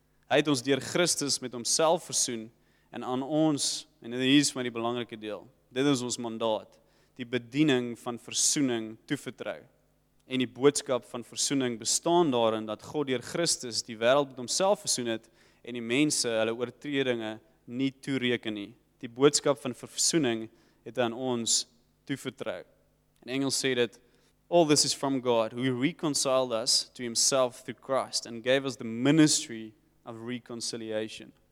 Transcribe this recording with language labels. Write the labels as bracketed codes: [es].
[af] Hy het ons deur Christus met homself versoen en aan ons, en dit is vir my die belangrike deel, dit is ons mandaat, die bediening van versoening toevertrou. En die boodskap van versoening bestaan daarin dat God deur Christus die wêreld met homself versoen het en die mense hulle oortredinge nie toereken nie. Die boodskap van versoening het aan ons toevertrou. In Engels sê dit: [en] all this is from God, who reconciled us to himself through Christ and gave us the ministry of reconciliation.